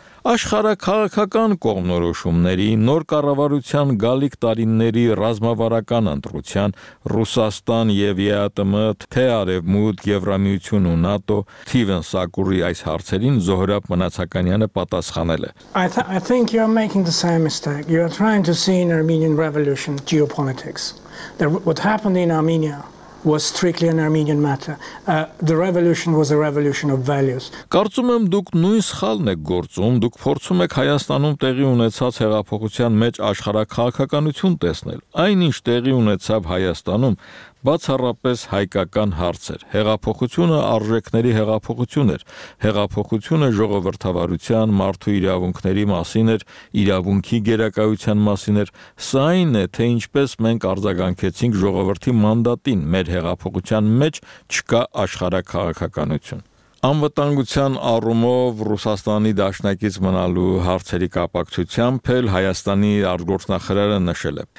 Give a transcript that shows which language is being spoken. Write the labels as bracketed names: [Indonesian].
[Armenian] Աշխարհաքաղաքական կողմնորոշումների, նոր կառավարության գալիք տարիների ռազմավարական ընտրության, Ռուսաստան և ԵԱՏՄ, թե Արևմուտք, Եվրամիություն ու ՆԱՏՕ, Թիվեն Սակուրի այս հարցերին Զոհրաբ Մնացականյանը պատասխանել է. [English] I think you are making the same mistake. You are trying to see an Armenian revolution geopolitics. What happened in Armenia was strictly an Armenian matter. The revolution was a revolution of values. [Armenian] Կարծում եմ, դուք նույն սխալն եք գործում, դուք փորձում եք Հայաստանում տեղի ունեցած հեղափոխության մեջ աշխարհաքաղաքականություն տեսնել, այնինչ տեղի ունեցավ Հայաստանում, բացառապես հայկական հարց էր։ Հեղափոխությունը արժեքների հեղափոխություն էր, հեղափոխությունը ժողովրդավարության, մարդու իրավունքների մասին էր, իրավունքի գերակայության մասին էր, սա այն է, թե ինչպես մենք արձագանքեցինք ժողովրդի մանդատին, մեր հեղափոխության մեջ չկա աշխարհաքաղաքականություն։ Անվտանգության առումով Ռուսաստանի դաշնակից մնալու հարցերի կապակցությամբ էլ Հայաստանի արտգործնախարարը նշել է.